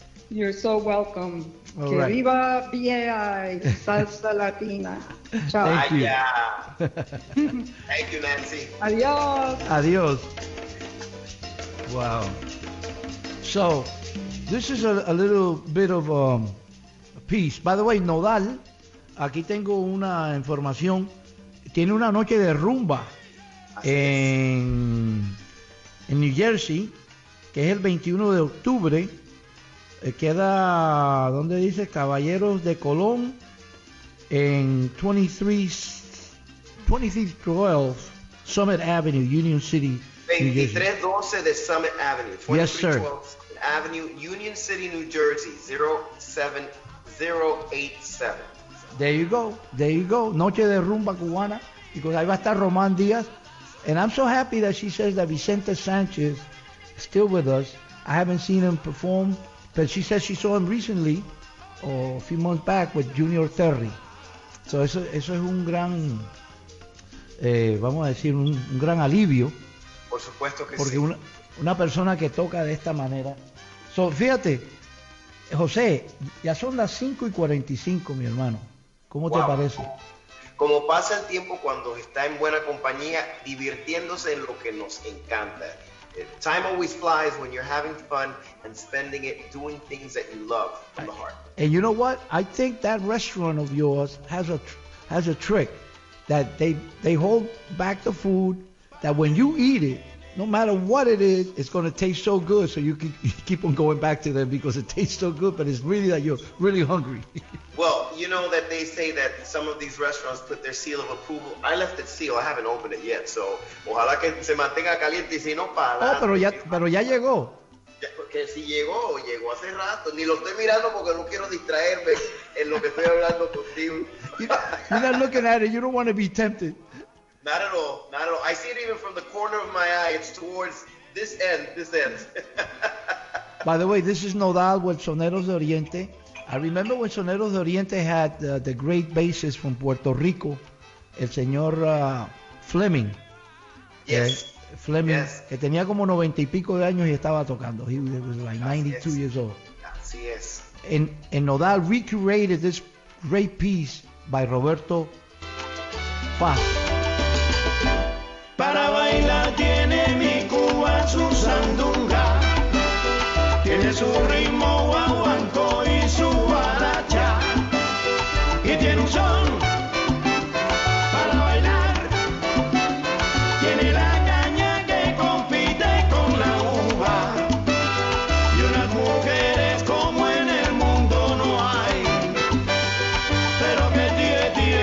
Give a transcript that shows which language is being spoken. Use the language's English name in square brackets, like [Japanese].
[English] You're so welcome. All que right. Viva BAI, Salsa Latina. Ciao. Thank you. Thank you, Nancy. [Spanish] Adios. Adios. Wow. [English] So, this is a little bit of a piece. By the way, [Spanish] Nodal, aquí tengo una información. Tiene una noche de rumba en New Jersey, que es el 21 de octubre. Queda, ¿dónde dice? Caballeros de Colón en 2312 Summit Avenue, Union City. 2312 de Summit Avenue. [English] Yes, sir. Avenue, Union City, New Jersey, 07087. There you go. There you go. [Spanish] Noche de rumba cubana. [English] Because [Spanish] ahí va a estar Román Díaz. [English] And I'm so happy that she says that Vicente Sánchez is still with us. I haven't seen him perform, but she says she saw him recently, or a few months back, with Junior Terry. [Spanish] So eso es un gran, vamos a decir, un gran alivio. Por supuesto que porque sí. Porque una persona que toca de esta manera. So, fíjate, José, ya son las 5:45, mi hermano. ¿Cómo wow. te parece? Como pasa el tiempo cuando está en buena compañía, divirtiéndose en lo que nos encanta. [English] Time always flies when you're having fun and spending it doing things that you love from the heart. And you know what? I think that restaurant of yours has a trick that they hold back the food that when you eat it, no matter what it is, it's going to taste so good, so you can keep on going back to them because it tastes so good, but it's really that you're really hungry. Well, you know that they say that some of these restaurants put their seal of approval. I left it sealed. I haven't opened it yet, so [Spanish] ojalá que se mantenga caliente y si no, para... Pero ya llegó. Que si llegó, llegó hace rato. Ni lo estoy mirando porque no quiero distraerme en lo que estoy hablando contigo. [English] You're not looking at it. You don't want to be tempted. Not at all. Not at all. I see it even from the corner of my eye. It's towards this end. This end. By the way, this is Nodal with Soneros de Oriente. I remember when Soneros de Oriente had the great bassist from Puerto Rico, el señor Fleming. Yes. Fleming, yes. [Spanish] Que tenía como 90 y pico de años y estaba tocando. [English] He was like 92 years old. [Spanish] Así es. [English] And Nodal recreated this great piece by Roberto Paz. [Spanish] Para bailar tiene mi Cuba su sandunga, tiene su ritmo guaguancó y su guaracha, y tiene un son para bailar, tiene la caña que compite con la uva, y unas mujeres como en el mundo no hay, pero que tiene.